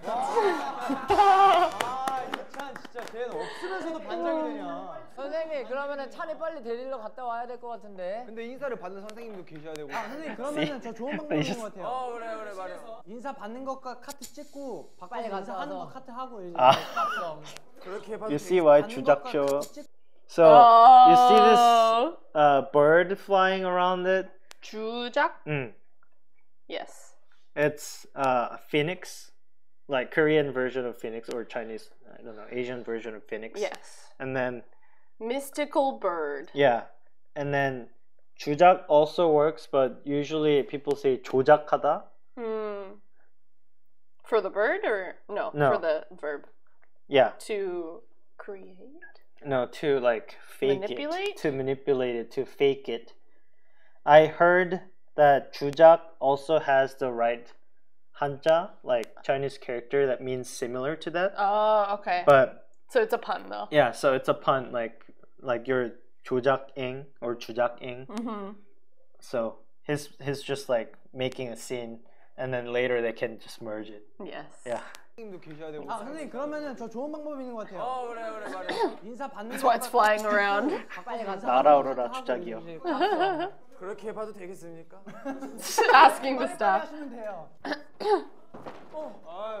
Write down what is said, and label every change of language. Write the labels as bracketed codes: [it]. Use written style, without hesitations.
[ko] 아 이 찬 진짜 쟤는 없으면서도 반장이 되냐. 선생님 그러면은 찬이 빨리 데리러 갔다 와야 될 것 같은데. 근데 인사를 받는 선생님도 계셔야 되고. 아 선생님 그러면은 저 좋은 방법인 것 같아요. 어 그래 그래 말해. 인사 받는 것과 카트 찍고 빨리 가서 하는 것 카트 하고 이제. 아. 그렇게 해봐도 [en] you see why 주작쇼. So you see this bird flying around it. 주작? 응. It's a phoenix, like Korean version of phoenix or Chinese, I don't know, Asian version of phoenix. Yes. And then... mystical bird. Yeah. And then 주작 also works, but usually people say 조작하다. Hmm. For the bird or... No, no, for the verb. Yeah. To create? No, to like fake manipulate? It. To manipulate it, to fake it. I heard... that 주작 also has the right 한자, like Chinese character that means similar to that. Oh, okay. But so it's a pun though. Yeah, so it's a pun, like you're 조작잉 or 주작잉. Mm-hmm. So he's just like making a scene and then later they can just merge it. Yes. Yeah. [ko] 선생님도 계셔야 되고. 아, 선생님 그러면은 저 좋은 방법이 있는 것 같아요. 어, 그래 그래 말해. 인사 받는 [en] That's why it's flying around. [ko] 빨리 가서 날아오르라 주작이요. 그렇게 해봐도 되겠습니까? [en] Asking the staff. [ko] 하시면 돼요. 어. 아,